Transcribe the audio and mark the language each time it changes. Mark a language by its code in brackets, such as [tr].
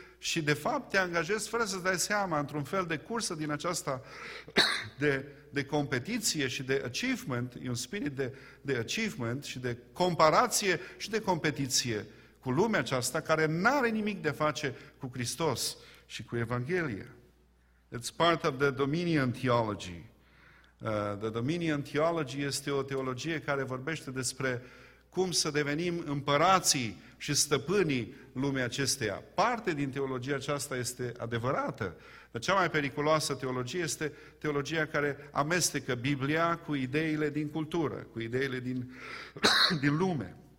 [ro] Și de fapt te angajezi fără să-ți dai seama într-un fel de cursă din aceasta de competiție și de achievement. E un spirit de achievement și de comparație și de competiție cu lumea aceasta care n-are nimic de face cu Hristos și cu Evanghelia. [en] It's part of the dominion theology. [ro] The dominion theology este o teologie care vorbește despre cum să devenim împărații și stăpânii lumii acesteia. Parte din teologia aceasta este adevărată, dar cea mai periculoasă teologie este teologia care amestecă Biblia cu ideile din cultură, cu ideile din lume.